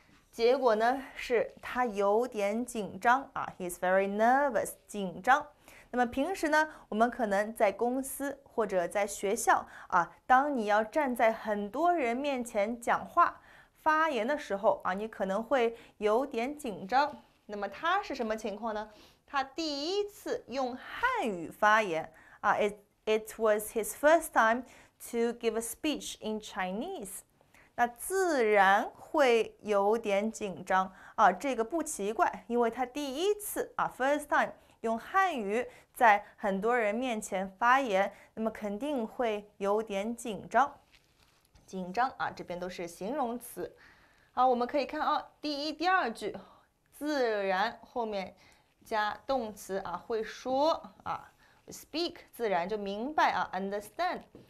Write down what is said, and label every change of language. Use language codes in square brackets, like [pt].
[zh] 结果呢，是他有点紧张啊， [en] he's very nervous， [zh] 紧张。那么平时呢，我们可能在公司或者在学校啊，当你要站在很多人面前讲话。发言的时候啊，你可能会有点紧张。那么他是什么情况呢？他第一次用汉语发言啊， [en] it was his first time to give a speech in Chinese。 [zh] 那自然会有点紧张啊，这个不奇怪，因为他第一次啊， [en] first time [zh] 用汉语在很多人面前发言，那么肯定会有点紧张。紧张啊，这边都是形容词。好，我们可以看啊，第一、第二句，自然后面加动词啊，会说啊，speak，自然就明白啊，understand。